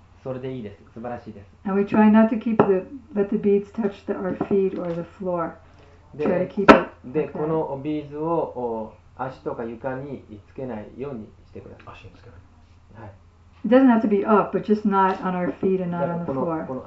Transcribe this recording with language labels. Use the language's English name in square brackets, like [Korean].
[English] And we try not to keep the let the beads touch the, our feet or the floor. Try to keep it. [Japanese] で、このビーズを足とか床につけないようにしてください。足につけない。はい。 [English] It doesn't have to be up, but just not on our feet and not on the floor.